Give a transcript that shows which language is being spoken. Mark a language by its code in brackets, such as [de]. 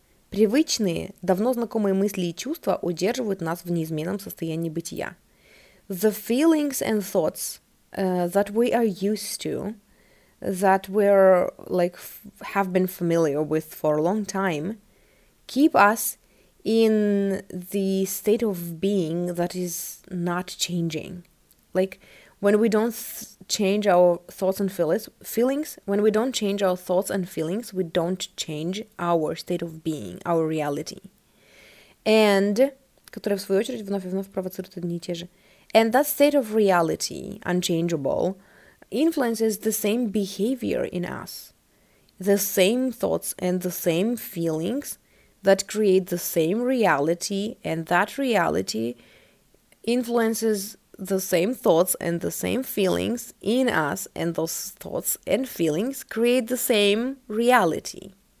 [ru] Привычные, давно знакомые мысли и чувства удерживают нас в неизменном состоянии бытия. [en] The feelings and thoughts that we are used to, that we're like have been familiar with for a long time, keep us in the state of being that is not changing. Like when we don't change our thoughts and feelings, when we don't change our thoughts and feelings, we don't change our state of being, our reality. [ru] And которая в свою очередь вновь и вновь провоцирует одни и те же. [en] And that state of reality, unchangeable, influences the same behavior in us, the same thoughts and the same feelings that create the same reality, and that reality influences the same thoughts and the same feelings in us, and those thoughts and feelings create the same reality.